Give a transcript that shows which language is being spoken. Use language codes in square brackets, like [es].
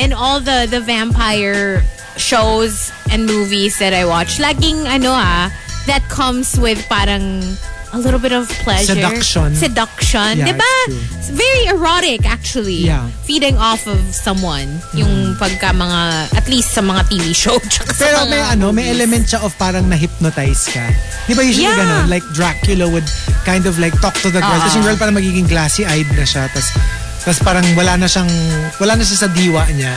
[en] In all the vampire shows and movies that I watch, [tl] laging ano ah, [en] that comes with parang a little bit of pleasure. Seduction. Yeah, diba? It's very erotic actually. Yeah. Feeding off of someone. Mm. [tl] Yung pagka mga, at least sa mga TV show. Pero may ano, may element siya of parang na-hypnotize ka. Diba usually [en] yeah. [tl] Ganun? [en] Like Dracula would kind of like talk to the girl. [tl] Tapos yung girl parang magiging glassy-eyed na siya. Tapos parang wala na siya sa diwa niya.